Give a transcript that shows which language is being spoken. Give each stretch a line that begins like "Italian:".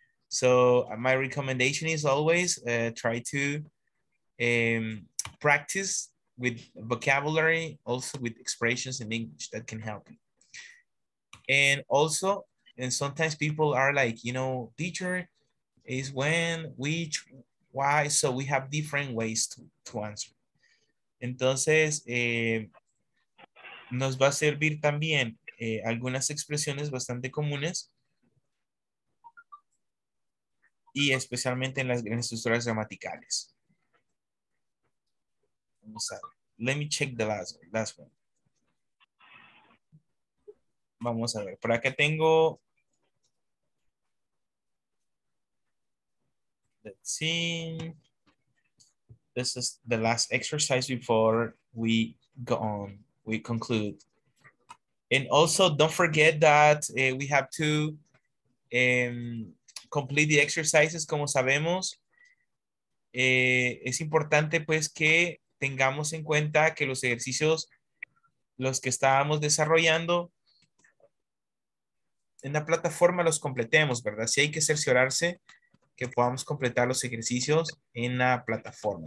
English: So my recommendation is always try to practice with vocabulary, also with expressions in English that can help you. And also, and sometimes people are like, you know, teacher, is when, which, why? So we have different ways to answer.
Spanish: Entonces, nos va a servir también algunas expresiones bastante comunes y especialmente en las grandes estructuras gramaticales. Vamos a ver.
English: Let me check the last one.
Spanish: Vamos a ver. Por acá tengo.
English: Let's see. This is the last exercise before we go on. We conclude. And also, don't forget that we have to complete the exercises.
Spanish: Como sabemos, es importante pues que tengamos en cuenta que los ejercicios, los que estábamos desarrollando en la plataforma, los completemos, ¿verdad? Sí hay que cerciorarse que podamos completar los ejercicios en la plataforma.